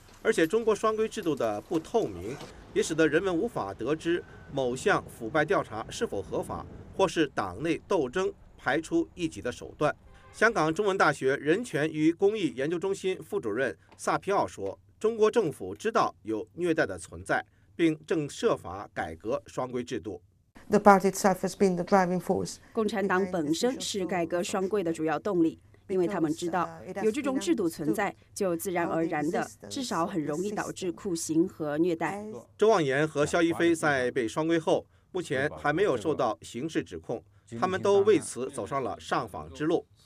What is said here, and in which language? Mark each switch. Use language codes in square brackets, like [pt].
[zh] 而且中国双规制度的不透明，也使得人们无法得知某项腐败调查是否合法，或是党内斗争排除异己的手段。香港中文大学人权与公益研究中心副主任萨皮奥说，中国政府知道有虐待的存在，并正设法改革双规制度。 [en] The party itself has been the driving force. [zh] 共产党本身是改革双规的主要动力，因为他们知道有这种制度存在，就自然而然的至少很容易导致酷刑和虐待。周望岩和肖一飞在被双规后目前还没有受到刑事指控，他们都为此走上了上访之路。